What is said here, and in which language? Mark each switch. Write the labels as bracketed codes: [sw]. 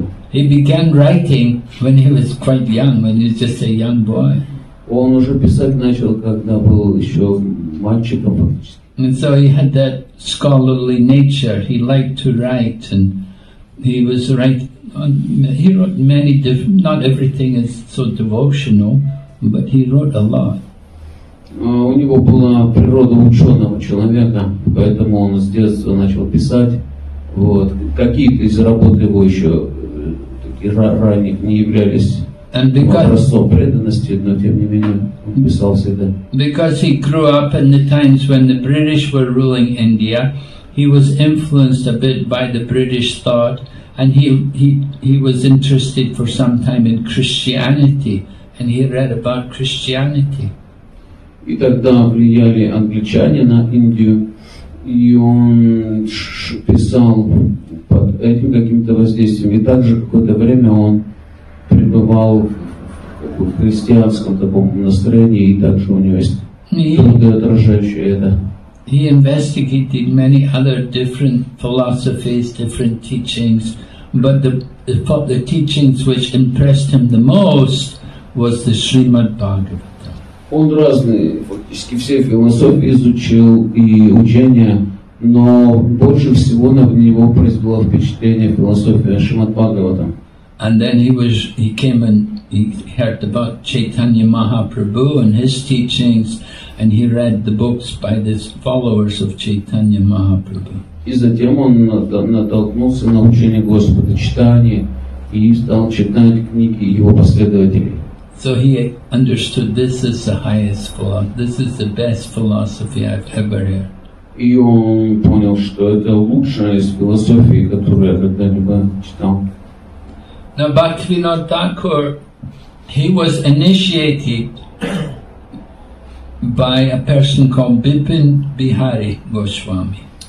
[en] He began writing when he was quite young, when he was just a young boy. [ru] Он уже писать начал, когда был еще мальчиком. [en] And so he had that scholarly nature. He liked to write, and he was writing. He wrote many different. Not everything is so devotional, but he wrote a lot. [ru] У него была природа ученого человека, поэтому он с детства начал писать. Вот. Какие-то из работ его еще ранних не являлись образцом преданности, но тем не менее он писал всегда. [en] Because he grew up in the times when the British were ruling India, he was influenced a bit by the British thought, and he was interested for some time in Christianity, and he read about Christianity. [ru] И тогда влияли англичане на Индию. И он писал под этим каким-то воздействием. И также какое-то время он пребывал в христианском таком настроении, и также у него есть труды, отражающие это. [en] He investigated many other different philosophies, different teachings, but the teachings which impressed him the most was the Srimad Bhagavatam. [ru] Он разные, фактически все философии изучил и учения, но больше всего на него произвело впечатление философия Шримад Бхагаватам. [en] And then he came and he heard about Chaitanya Mahaprabhu and his teachings, and he read the books by the followers of Chaitanya Mahaprabhu. [ru] И затем он натолкнулся на учение Господа Чайтаньи и стал читать книги его последователей. [en] So he understood this is the highest philosophy, this is the best philosophy I've ever heard. [ru] И он понял, что это лучшая из философий, которую я когда-либо читал. [en] Now Bhaktivinod Thakur, he was initiated by a person called Bipin Bihari Goswami.